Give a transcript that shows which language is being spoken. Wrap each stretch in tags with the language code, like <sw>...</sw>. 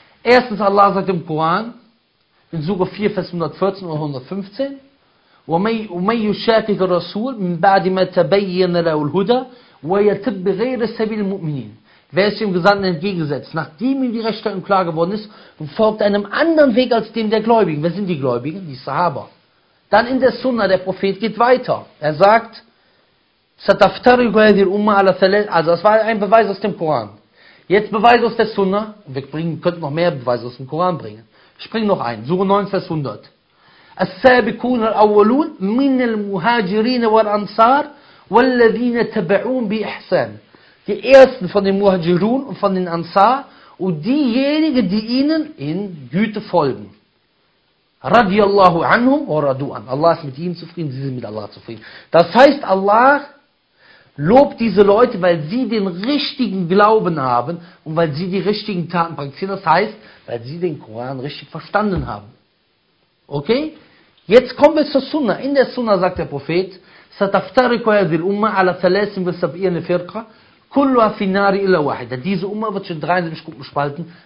<de>Erstens, Allah sagt im Koran, in Sura 4, Vers 114 und 115,</de> <ar>وَمَنْ يُشَاقِقَ الرَّسُولِ مِنْ بَعْدِ مَا تَبَيِّنَ لَهُ الْهُدَى وَيَتَبْ بِغَيْرِ سَبِيلِ الْمُؤْمِنِينَ</ar> <de>Wer ist dem Gesandten entgegengesetzt, nachdem ihm die Rechtsstellung klar geworden ist, und folgt einem anderen Weg als dem der Gläubigen. Wer sind die Gläubigen? Die Sahaba. Dann in der Sunna, der Prophet geht weiter. Er sagt,</de> <ar>سَتَفْتَرِقُ هَذِي الْأُمَّةِ عَلَى ثَلَاثٍ</ar> <de>Also das war ein Beweis aus dem Koran. Jetzt Beweis aus der Sunna. Wir bringen, könnten noch mehr Beweise aus dem Koran bringen. Ich bringe noch einen. Sura 9, Vers 100.</de> <ar>السابقون الأولون من المهاجرين والأنصار والذين تبعون بإحسان.</ar> <de>Die ersten von den Muhajirun und von den Ansar und diejenigen, die ihnen in Güte folgen.</de> <ar>رضي الله عنهم ورضوا عنهم.</ar> <de>Allah ist mit ihnen zufrieden, sie sind mit Allah zufrieden. Das heißt, Allah lobt diese Leute, weil sie den richtigen Glauben haben und weil sie die richtigen Taten praktizieren. Das heißt, weil sie den Koran richtig verstanden haben. Okay? Jetzt kommen wir zur Sunna. In der Sunna sagt der Prophet,</de> <ar>سَتَفْتَرِكُ هَذِي الْأُمَّةِ عَلَى ثَلَاثٍ وَسَبْعِينَ فِرْقَةٍ كُلُّهَا فِي النَّارِ إِلَّا وَاحِدَةٍ</ar> <de>Diese Umma wird schon 73 Gruppen spalten.</de>